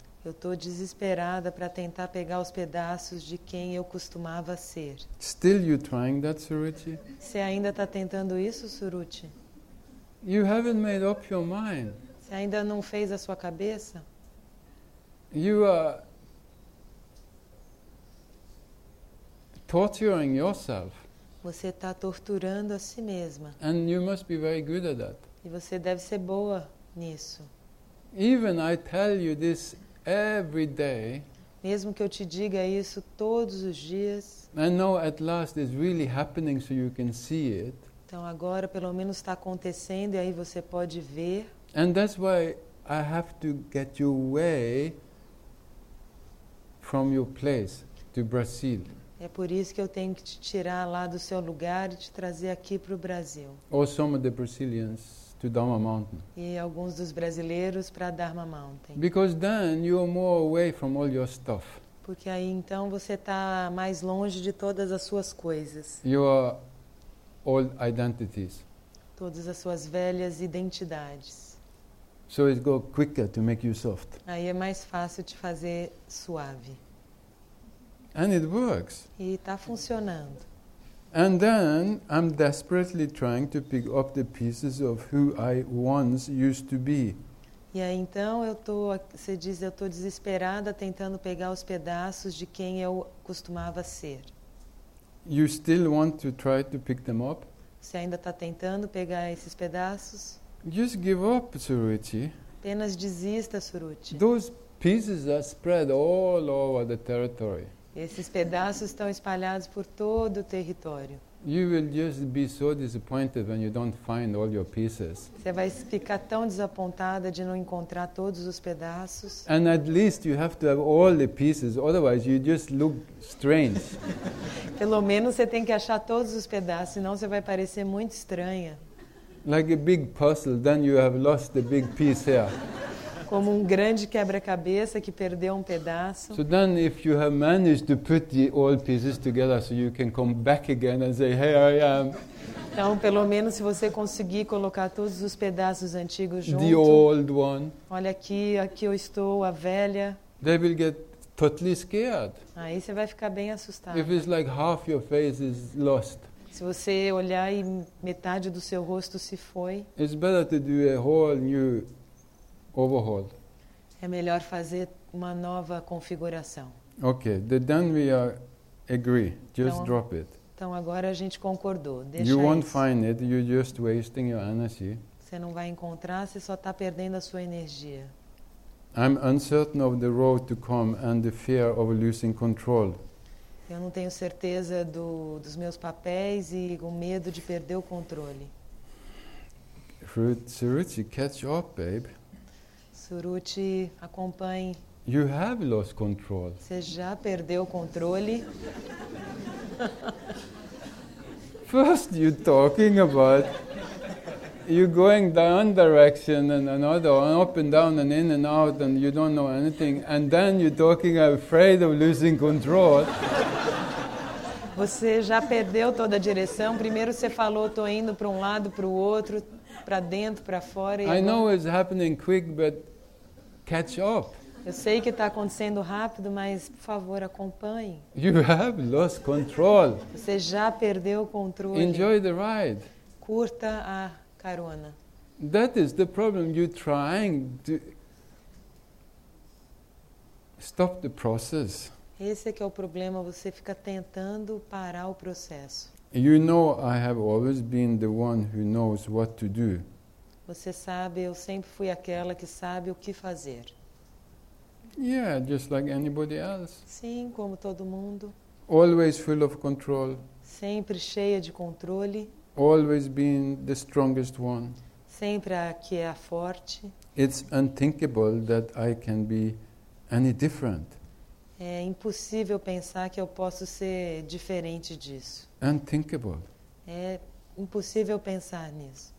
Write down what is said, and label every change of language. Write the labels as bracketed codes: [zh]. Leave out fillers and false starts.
[pt] Eu tô desesperada para tentar pegar os pedaços de quem eu costumava ser. [en] Still you trying that, Suruchi? [pt] Você ainda tá tentando isso, Suruchi? [en] You haven't made up your mind. [pt] Você ainda não fez a sua cabeça? [en] You are torturing yourself. [pt] Você está torturando a si mesma. [en] And you must be very good at that. [pt] E você deve ser boa nisso. [en] Even I tell you this every day. [pt] Mesmo que eu te diga isso todos os dias. [en] And now at last it's really happening so you can see it. [pt] Então agora pelo menos está acontecendo e aí você pode ver. [en] And that's why I have to get you away from your place to Brazil. [pt] É por isso que eu tenho que te tirar lá do seu lugar e te trazer aqui para o Brasil. [en] Or some of the Brazilians to Dharma Mountain. [pt] E alguns dos brasileiros para Dharma Mountain. [en] Because then you are more away from all your stuff. [pt] Porque aí então você está mais longe de todas as suas coisas. [en] Your old identities. [pt] Todas as suas velhas identidades. [en] So it go quicker to make you soft. [pt] Aí é mais fácil te fazer suave. [en] And it works. [pt] E tá funcionando. [en] And then I'm desperately trying to pick up the pieces of who I once used to be. [pt] E aí então eu tô, você diz, eu tô desesperada tentando pegar os pedaços de quem eu costumava ser. [en] You still want to try to pick them up? [pt] Você ainda tá tentando pegar esses pedaços? [en] Just give up, Suruchi. [pt] Apenas desista, Suruchi. [en] Those pieces are spread all over the territory. [pt] Esses pedaços estão espalhados por todo o território. [en] You will just be so disappointed when you don't find all your pieces. [pt] Você vai ficar tão desapontada de não encontrar todos os pedaços. [en] And at least you have to have all the pieces, otherwise you just look strange. [pt] Pelo menos você tem que achar todos os pedaços, senão você vai parecer muito estranha. [en] Like a big puzzle, then you have lost the big piece here. [pt] Como um grande quebra-cabeça que perdeu um pedaço. [en] So then if you have managed to put the old pieces together so you can come back again and say, hey, I am. [pt] Então, pelo menos se você conseguir colocar todos os pedaços antigos juntos. [en] The old one. [pt] Olha aqui, aqui eu estou, a velha. [en] They will get totally scared. [pt] Aí você vai ficar bem assustado. [en] If it's like half your face is lost. [pt] Se você olhar e metade do seu rosto se foi. [en] It's better to do a whole new overhaul. [pt] É melhor fazer uma nova configuração. [en] Okay, then we agree. Just [pt] então, [en] drop it. [pt] Então agora a gente concordou. Deixa [en] you [pt] isso. [en] Won't find it. You're just wasting your energy. [pt] Você não vai encontrar. Você só está perdendo a sua energia. [en] I'm uncertain of the road to come and the fear of losing control. [pt] Eu não tenho certeza do, dos meus papéis e o medo de perder o controle. [en] Suruchi, catch up, babe. [pt] Suruchi, acompanhe. [en] You have lost control. [pt] Você já perdeu o controle. [en] First you're talking about you're going down direction and another, and up and down and in and out, and you don't know anything. And then you're talking, I'm afraid of losing control. [pt] Você já perdeu toda a direção. Primeiro você falou, estou indo para um lado, para o outro, para dentro, para fora. [en] I know it's happening quick, but catch up. [pt] Eu sei que está acontecendo rápido, mas por favor acompanhe. [en] You have lost control. [pt] Você já perdeu o controle. [en] Enjoy the ride. [pt] Curta a carona. [en] That is the problem. You're trying to stop the process. [pt] Esse é que é o problema, você fica tentando parar o processo. [en] You know, I have always been the one who knows what to do. [pt] Você sabe, eu sempre fui aquela que sabe o que fazer. [en] Yeah, just like anybody else. [pt] Sim, como todo mundo. [en] Always full of control. [pt] Sempre cheia de controle. [en] Always being the strongest one. [pt] Sempre a que é a forte. [en] It's unthinkable that I can be any different. [pt] É impossível pensar que eu posso ser diferente disso. [en] Unthinkable. [pt] É impossível pensar nisso.